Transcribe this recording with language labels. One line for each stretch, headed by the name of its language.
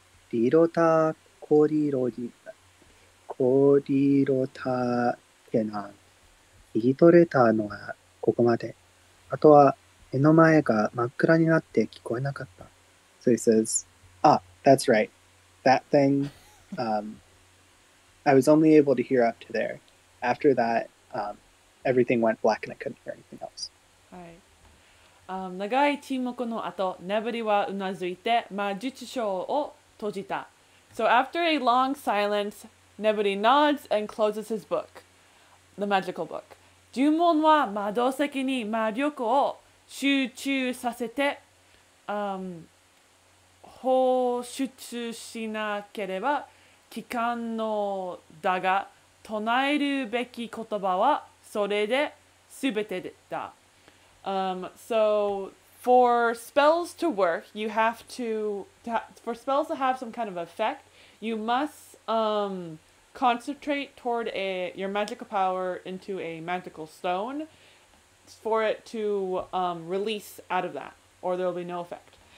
Japanese: リロタコリロジコリロタケナン聞き取れたのはここまで。あとは目の前が真っ暗になって聞こえなかった。
English: So he says, ah, that's right. That thing, I was only able to hear up to there. After that, everything went black and I couldn't hear anything else. Right.
Japanese: 長い沈黙の後、ネブリはうなずいて魔術書を閉じた。
English: So after a long silence, ネブリ nods and closes his book, the magical book.
Japanese: 呪文は窓先に魔力を集中させて、放出しなければ期間のだが唱えるべき言葉はそれで全てだ。
English: So for spells to work, you have for spells to have some kind of effect, you must, concentrate toward your magical power into a magical stone for it to release out of that, or there will be no effect.